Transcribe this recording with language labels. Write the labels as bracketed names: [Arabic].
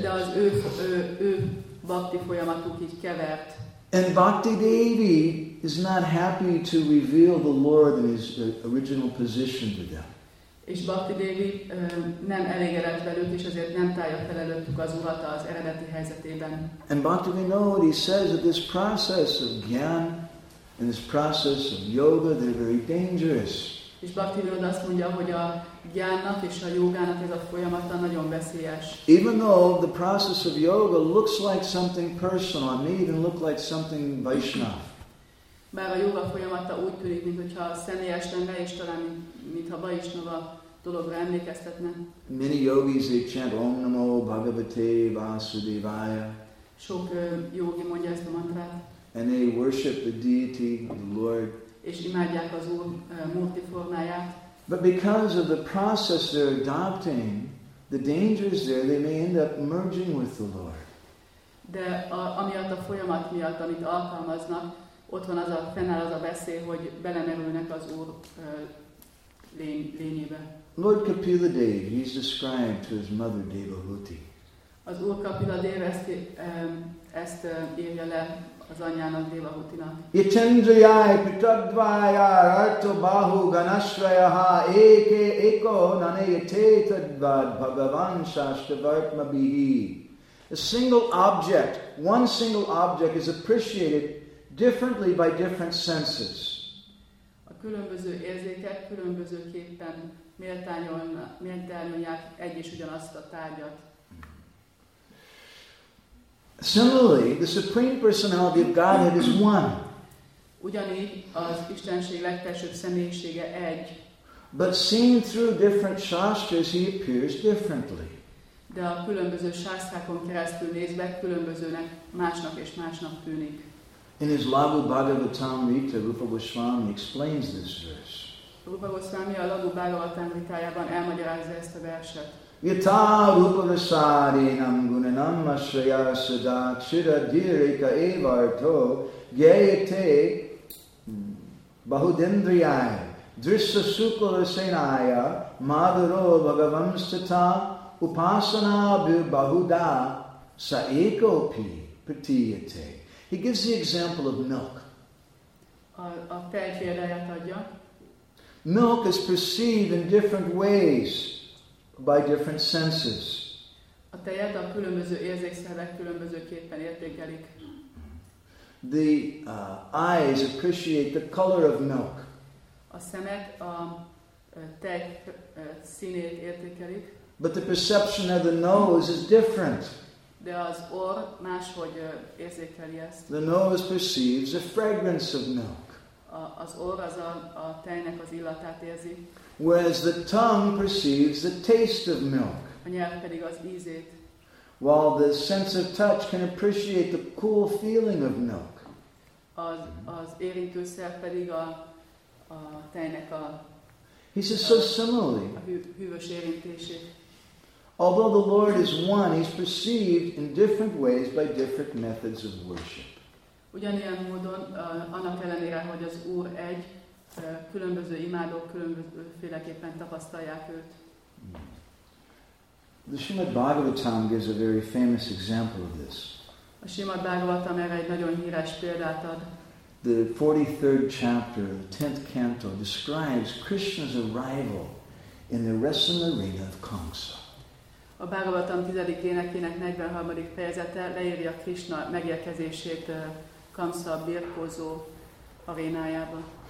[Hungarian] De az ő bhakti folyamatuk így kevert. [English] And Bhakti Devi is not happy to reveal the Lord in his original position to them. [Hungarian] És Bhakti Devi nem elégedett velük, és ezért nem tárja fel előttük az Urat az eredeti helyzetében. [English] And Bhaktivinoda, he says that this process of jnana and this process of yoga, they're very dangerous. [Hungarian] És Bhaktivinoda azt mondja, hogy a jnának és a jogának ez a folyamata nagyon veszélyes. [English] Even though the process of yoga looks like something personal, it may even look like something Vaishnav. [Hungarian] Bár a jóga folyamata úgy tűnik, mintha személyes lenne, és talán mintha Vaishnava dologra emlékeztetne. [English] Many yogis, they chant [Sanskrit] Om Namo Bhagavate Vasudevaya. [Hungarian] Sok jogi mondja ezt a mantrát. [English] And they worship the deity, the Lord. [Hungarian] És imádják az Úr multiformáját. [English] But because of the process they're adopting, the danger is there, they may end up merging with the Lord. [Hungarian] De amiatt a folyamat miatt, amit alkalmaznak, ott van az a fennáll az a veszély, hogy belemerülnek az Úr lényébe. [English] Lord Kapila Dev, he's described to his mother Devahuti. [Hungarian] Az Úr Kapila Dev ezt írja le az anyjának Devahutinak. [Sanskrit] Itendriyai pitadvaya arto bahu ganashrayaha eke eko naneyetetadvad bhagavan shashtavartma bihi. [English] One single object is appreciated differently by different senses. [Hungarian] A különböző érzékek különbözőképpen méltányolják egy és ugyanazt a tárgyat. [English] Similarly, the Supreme Personality of Godhead is one. [Hungarian] Ugyanígy az Istenség legfelsőbb személyisége egy. [English] But seen through different shastras, he appears differently. [Hungarian] De a különböző sásztrákon keresztül nézve, különbözőnek másnak és másnak tűnik. [English] In his Lagu Bhagavatamrita, Rupa Goswami explains this verse. [Hungarian] Rupa Goswami a Lagu Bhagavatamritájában elmagyarázza ezt a verset. [Sanskrit] Yata rupa vasarinam gunanam ashraya sada kshira dhirika evarto gyayate bahudendriyai drishya sukala senaya madaro bhagavamstata upasana bahuda sa ekopi pratiyate. [English] He gives the example of milk. [Hungarian] A tejfélreját adja. [English] Milk is perceived in different ways by different senses. [Hungarian] A tejet a különböző érzékszervek különbözőképpen értékelik. [English] The eyes appreciate the color of milk. [Hungarian] A szemek a tej színét értékelik. [English] But the perception of the nose is different. [Hungarian] De az orr máshogy érzékeli ezt. [English] The nose perceives the fragrance of milk. [Hungarian] Az orr az a tejnek az illatát érzi. [English] Whereas the tongue perceives the taste of milk. [Hungarian] A nyelv pedig az ízét. [English] While the sense of touch can appreciate the cool feeling of milk. [Hungarian] Az érintőszer pedig a tejnek a. [English] He says so similarly. [Hungarian] A hűvös érintését. [English] Although the Lord is one, he's perceived in different ways by different methods of worship. [Hungarian] Ugyanilyen módon, annak ellenére, hogy az Úr egy, különböző imádók különbözőféleképpen tapasztalják őt. [English] The Srimad Bhagavatam gives a very famous example of this. [Hungarian] A Srimad Bhagavatam erre egy nagyon híres példát ad. [English] The 43rd chapter, the 10th canto, describes Krishna's arrival in the wrestling arena of Kamsa. [Hungarian] A Bhagavatam 10. énekének 43. fejezete leírja Krishna megérkezését Kamsa birkózó arénájába.